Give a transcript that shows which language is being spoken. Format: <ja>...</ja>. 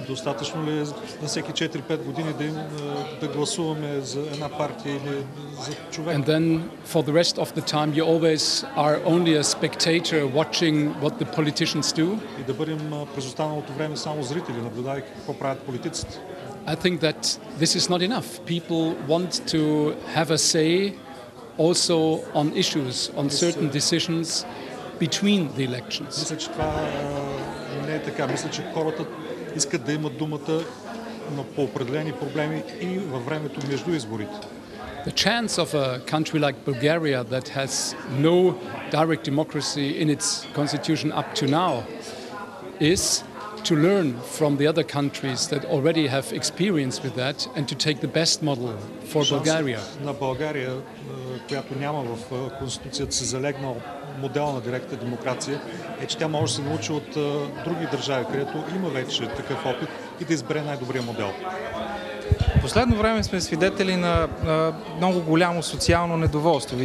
<bg>Достатъчно ли е на всеки 4-5 години да гласуваме за една партия или за човек?</bg> <en>And then for the rest of the time you always are only a spectator watching what the politicians do?</en> <bg>И да бъдем през останалото време само зрители, наблюдавайки какво правят политиците.</bg> <en>I think that this is not enough. People want to have a say also on issues, on certain decisions between the elections.</en> <bg>Мисля, че това не е така. Мисля, че хората искат да имат думата по определени проблеми и във времето между изборите.</bg> <en>The chance of a country like Bulgaria that has no direct democracy in its constitution up to now is to learn from the other countries that already have experience with that and to take the best model for Bulgaria.</en> <bg>На България, която няма в конституцията си залегнал модел на директна демокрация, е, че тя може да се научи от други държави, където има вече такъв опит и да избере най-добрия модел. Последно време сме свидетели на много голямо социално недоволство.</bg>